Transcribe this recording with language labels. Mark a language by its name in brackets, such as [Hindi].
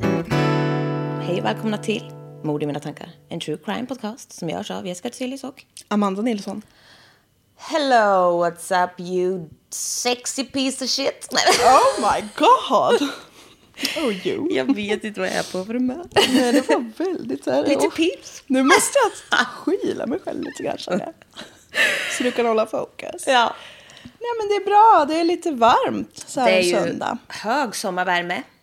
[Swedish] Hej, välkomna till Mord i mina tankar, en true crime podcast som görs av Jessica Tsilis och Amanda Nilsson. [English] Hello, what's up you sexy piece of shit. Oh my god. Oh you. [Swedish] Jag vet inte vad jag är på för humör. Nej, det var väldigt så här. Lite pips. Nu måste jag skila mig själv lite kanske. Så du kan hålla fokus. Ja. Nej, men det är bra. Det är lite varmt så här söndag. Det är söndag. Ju hög sommarvärme.